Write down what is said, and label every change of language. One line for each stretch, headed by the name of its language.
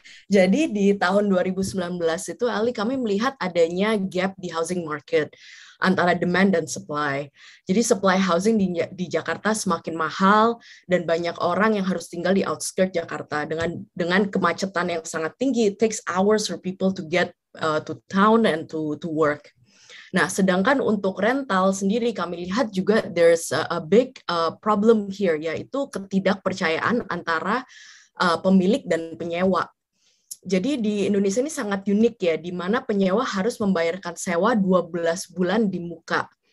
Indonesian: Jadi di tahun 2019 itu, Ali, kami melihat adanya gap di housing market antara demand dan supply. Jadi supply housing di Jakarta semakin mahal dan banyak orang yang harus tinggal di outskirts Jakarta dengan kemacetan yang sangat tinggi.
English: It takes hours for people to get to town and to work.
Indonesian: Nah, sedangkan untuk rental sendiri kami lihat juga
English: there's a big problem here,
Indonesian: yaitu ketidakpercayaan antara pemilik dan penyewa. Jadi di Indonesia ini sangat unik ya, di mana penyewa harus membayarkan sewa 12 bulan di muka.